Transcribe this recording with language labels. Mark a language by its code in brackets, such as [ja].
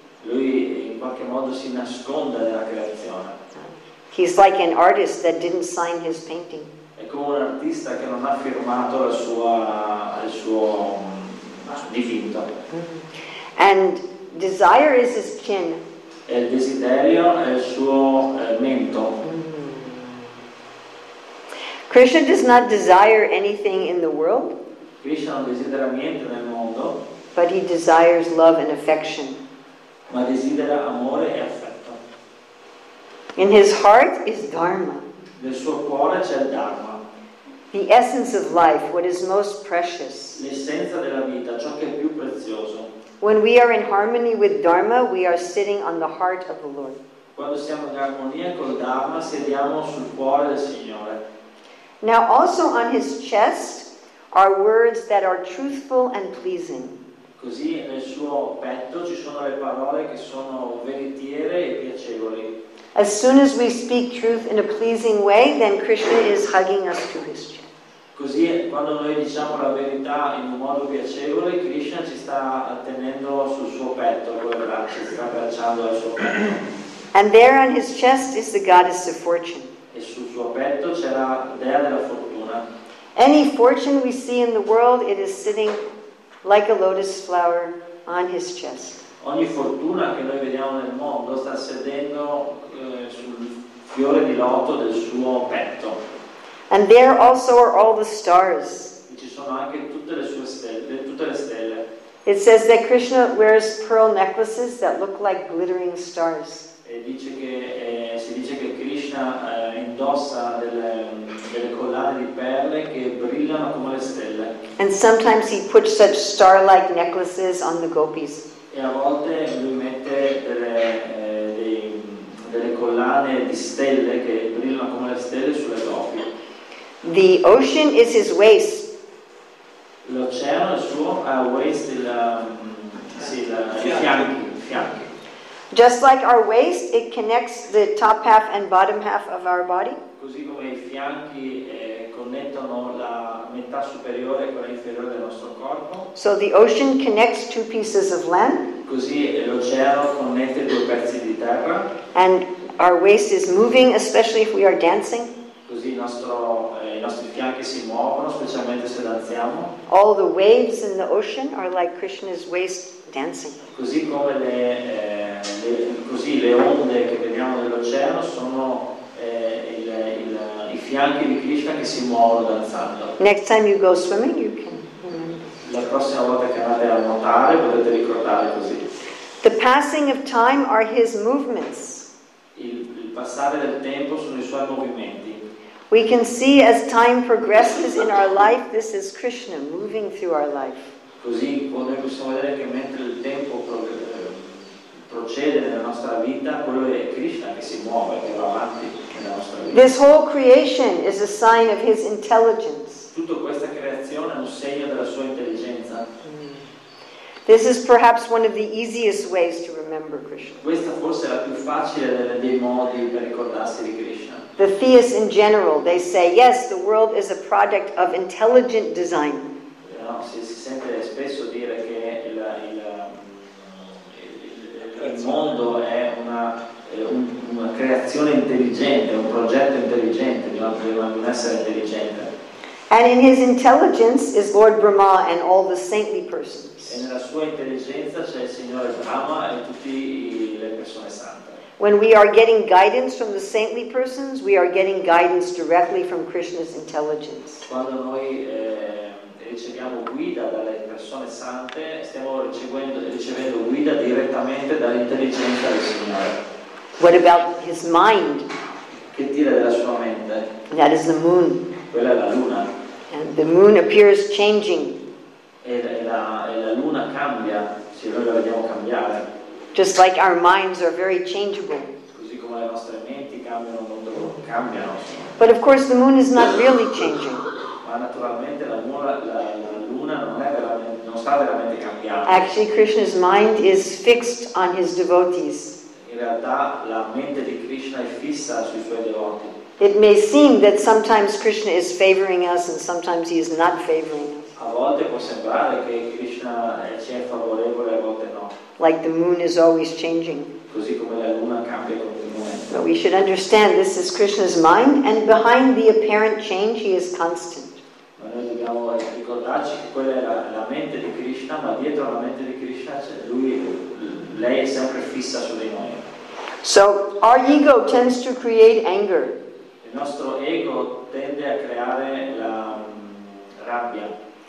[it] Lui in qualche modo si nasconde nella creazione. [en] He's like an artist that didn't sign his painting. [it] È come un artista che non ha firmato il suo dipinto. [en] And desire is his kin. [it] E il desiderio è il suo mento. [en] Krishna does not desire anything in the world. [it] Krishna non desidera niente nel mondo. [en] But he desires love and affection. [it] Ma desidera amore e affetto. [en] In his heart is Dharma. [it] Nel suo cuore c'è il Dharma. [en] The essence of life, what is most precious. [it] L'essenza della vita, ciò che è più prezioso. [en] When we are in harmony with Dharma, we are sitting on the heart of the Lord. [it] Quando siamo in armonia col Dharma, sediamo sul cuore del Signore. [en] Now also on his chest are words that are truthful and pleasing. [it] Così nel suo petto ci sono le parole che sono veritiere e piacevoli. [en] As soon as we speak truth in a pleasing way, then Krishna is hugging us to his chest. [it] Così, quando noi diciamo la verità in un modo piacevole, Krishna ci sta tenendo sul suo petto, con le braccia, sta abbracciando al suo petto. [en] And there on his chest is the goddess of fortune. [it] E sul suo petto c'è la dea della fortuna. [en] Any fortune we see in the world, it is sitting like a lotus flower on his chest. [it] Ogni fortuna che noi vediamo nel mondo sta sedendo sul fiore di loto del suo petto. [en] And there also are all the stars. [it] E ci sono anche tutte le sue stelle, tutte le stelle. [en] It says that Krishna wears pearl necklaces that look like glittering stars. [it] E si dice che Krishna indossa delle collane di perle che brillano come le stelle. [en] And sometimes he puts such star-like necklaces on the gopis. [it] E a volte lui mette delle collane di stelle che brillano come le stelle sulle gopi. [en] The ocean is his waist. [it] L'oceano è il suo waist, i fianchi. [en] Just like our waist, it connects the top half and bottom half of our body. [it] Così come i fianchi connettono la metà superiore con l'inferiore del nostro corpo. [en] So the ocean connects two pieces of land. [it] Così l'oceano connette due pezzi di terra. [en] And our waist is moving, especially if we are dancing. [it] Così i nostri fianchi si muovono, specialmente se danziamo. [en] All the waves in the ocean are like Krishna's waist dancing. [it] Così come le onde che vediamo nell'oceano sono i fianchi di Krishna che si muovono danzando. [en] Next time you go swimming, you can. [it] La prossima volta che andate a nuotare potete ricordare così. [en] The passing of time are his movements. [it] Il passare del tempo sono i suoi movimenti. [en] We can see as time progresses in our life, this is Krishna moving through our life. [it] Così noi possiamo vedere che mentre il tempo procede nella nostra vita, quello è Krishna che si muove, che va avanti nella nostra vita. [en] This whole creation is a sign of his intelligence. [it] Tutta questa creazione è un segno della sua intelligenza. [en] This is perhaps one of the easiest ways to remember Krishna. [it] Questa forse è la più facile dei modi per ricordarsi di Krishna. [en] The theists in general, they say, yes, the world is a product of intelligent design. [it] No, si sente spesso dire che il mondo è una creazione intelligente, un progetto intelligente di un essere intelligente. [en] And in his intelligence is Lord Brahma and all the saintly persons. [it] E nella sua intelligenza c'è il signore Brahma e tutte le persone sante. [en] When we are getting guidance from the saintly persons, we are getting guidance directly from Krishna's intelligence. [it] Quando noi riceviamo guida dalle persone sante, stiamo ricevendo guida direttamente dall'intelligenza del Signore. [en] What about his mind? [it] Che dire della sua mente? [en] That is the moon. [it] Quella è la luna. [en] And the moon appears changing. [it] E la luna cambia, se noi la vediamo cambiare. [en] Just like our minds are very changeable. [it] Così come le nostre menti cambiano. [en] But of course the moon is not really changing. [it] Ma naturalmente la luna non sta veramente cambiando. [en] Actually Krishna's mind is fixed on his devotees. [it] In realtà la mente di Krishna è fissa sui suoi devoti. [en] It may seem that sometimes Krishna is favoring us and sometimes he is not favoring us. [it] A volte può sembrare che Krishna ci è favorevole, a volte no. [en] Like the moon is always changing. [it] Così come la luna cambia continuamente. [en] But we should understand this is Krishna's mind and behind the apparent change he is constant. [it] Ma noi dobbiamo ricordarci che quella è la mente di Krishna, ma dietro la mente di Krishna lei è sempre fissa su di noi. [en] So our ego tends to create anger. [it] Il nostro ego tende a creare la rabbia.